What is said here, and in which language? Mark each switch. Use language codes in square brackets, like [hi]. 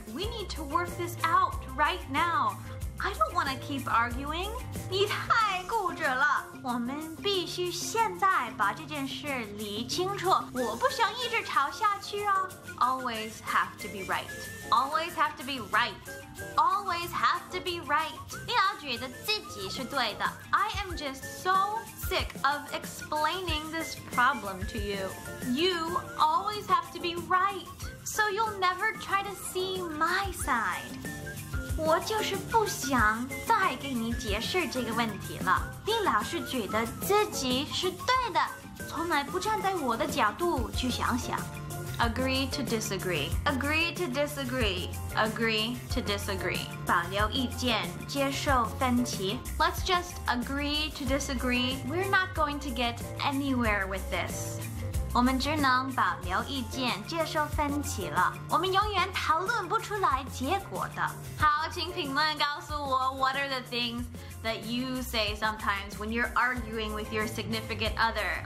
[en] We need to work this out right now. I don't want to keep arguing. [zh] 你太固执了。我们必须现在把这件事理清楚。我不想一直吵下去啊。 [en] Always have to be right. [zh] 你要觉得自己是对的。 [en] I am just so sick of explaining this problem to you. You always have to be right. So you'll never try to see my side. [zh] 我就是不想再给你解释这个问题了。你老是觉得自己是对的，从来不站在我的角度去想想。 [en] Agree to disagree. [zh] 保留意见，接受分歧。 [en] Let's just agree to disagree. We're not going to get anywhere with this. [zh] 我们只能保留意见，接受分歧了。我们永远讨论不出来结果的。好，请评论告诉我 [en] ，What are the things that you say sometimes when you're arguing with your significant other?